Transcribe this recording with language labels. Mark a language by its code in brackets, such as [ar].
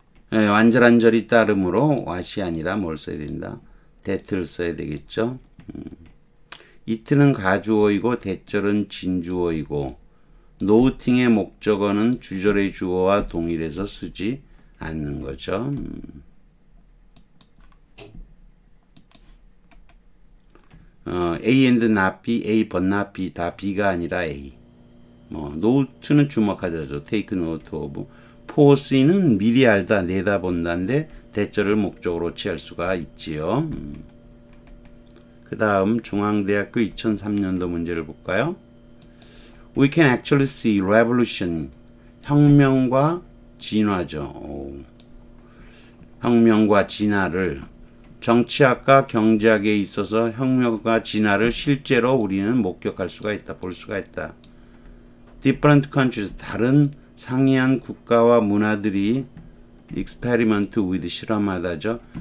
[ko] 완절한 절이 따르므로 what이 아니라 뭘 써야 된다. that를 써야 되겠죠. it는 가주어이고 대절은 진주어이고 noting의 목적어는 주절의 주어와 동일해서 쓰지 않는 거죠. 어, A and not B, A but not B, 다 B가 아니라 A. 뭐, note는 주목하자죠. [en] take note of. [ko] foresee는 미리 알다, 내다본다인데 대절을 목적으로 취할 수가 있지요. 그다음 중앙대학교 2003년도 문제를 볼까요? [en] We can actually see revolution. [ko] 혁명과 진화죠. 오. 혁명과 진화를 정치학과 경제학에 있어서 혁명과 진화를 실제로 우리는 목격할 수가 있다, 볼 수가 있다. [en] Different countries, [ko] 다른 상이한 국가와 문화들이 [en] experiment with, [ko] 실험하다죠.